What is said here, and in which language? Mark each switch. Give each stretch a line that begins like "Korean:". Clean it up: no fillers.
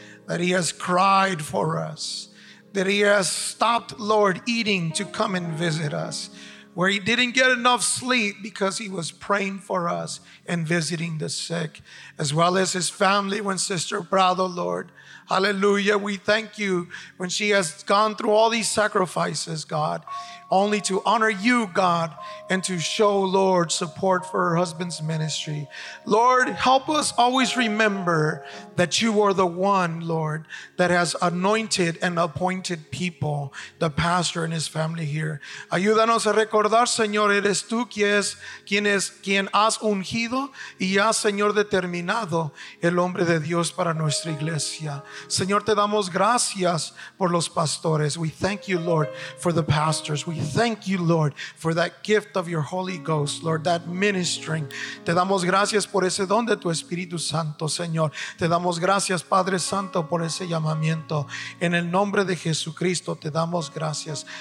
English: that he has cried for us, that he has stopped, Lord, eating to come and visit us, where he didn't get enough sleep because he was praying for us and visiting the sick, as well as his family when Sister Prado, Lord, hallelujah, we thank you when she has gone through all these sacrifices, God, only to honor you, God, and to show, Lord, support for her husband's ministry. Lord, help us always remember that you are the one, Lord, that has anointed and appointed people, the pastor and his family here.
Spanish: Ayúdanos a recordar, Señor, eres tú quien has ungido y has, Señor, determinado el hombre de Dios para nuestra iglesia. Señor, te damos gracias por los pastores.
English: We thank you, Lord, for the pastors. We thank you, Lord, for that gift of your Holy Ghost, Lord, that ministering.
Spanish: Te damos gracias por ese don de tu Espíritu Santo, Señor. Te damos gracias, Padre Santo, por ese llamamiento. En el nombre de Jesucristo, te damos gracias.